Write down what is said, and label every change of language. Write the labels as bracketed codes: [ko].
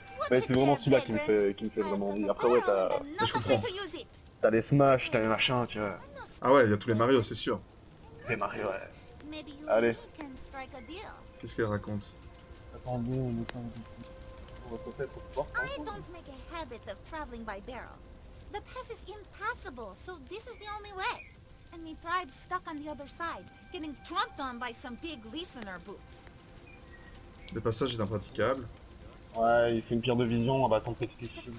[fr] Mais c'est vraiment celui-là qui me fait vraiment envie. Après, ouais, t'as... Mais je comprends. T'as les Smash, t'as les machins, tu vois. Ah ouais, il y a tous les Mario, c'est sûr. Les Mario, ouais. Allez. Qu'est-ce qu'elle raconte? Attendez, on est en train de... On va peut-être pouvoir faire un coup. [en] I don't make a habit of traveling by barrel. The pass is impassable, so this is the only way. And my tribe's stuck on the other side, getting trumped on by some big listener boots. [fr] Le passage est impraticable. Ouais, il fait une pierre de vision, on va attendre que c'est fixe.